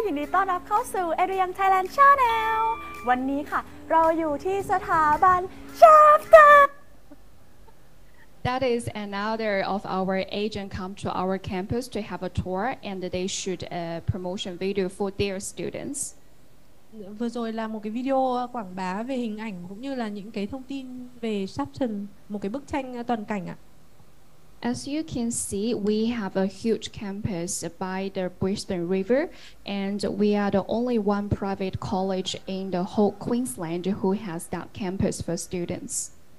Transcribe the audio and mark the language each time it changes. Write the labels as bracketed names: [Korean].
[Thai] ยินดีต้อนรับเข้าสู่ Adrian Thailand Channel. วันนี้ค่ะเราอยู่ที่สถาบัน Sharston. [English] That is another of our agent come to our campus to have a tour, and they shoot a promotion video for their students. [Vietnamese] Vừa rồi là một cái video quảng bá về hình ảnh cũng như là những cái thông tin về Sapton, một cái bức tranh toàn cảnh ạ. [English] As you can see, we have a huge campus by the Brisbane River, and we are the only one private college in the whole Queensland who has that campus for students.